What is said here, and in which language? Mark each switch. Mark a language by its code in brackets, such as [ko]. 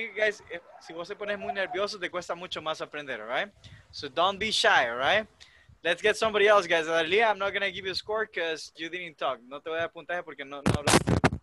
[es] Guys, si vos te pones muy nervioso, te cuesta mucho más aprender, all right? [en] So don't be shy, all right? Let's get somebody else, guys. Adelie, I'm not going to give you a score because you didn't talk. [es] No te voy a dar puntaje porque no hablaste.